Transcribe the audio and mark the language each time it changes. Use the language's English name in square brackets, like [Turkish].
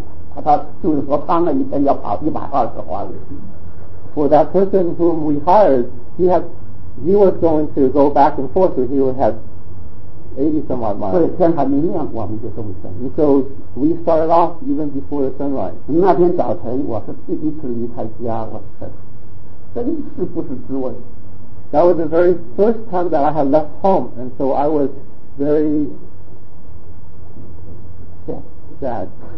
[Chinese] 因为车子里的那个人他还要赶回来，他就是说他那一天要跑120华里。 [English] For that person whom we hired, he was going to go back and forth, so he would have 80 some odd miles. [Chinese] 所以天还没亮我们就动身, [English] so we started off even before the sunrise. [Chinese] 那天早晨我是第一次离开家，我真是不是滋味。 [English] That was the very first time that I had left home, and so I was very sad.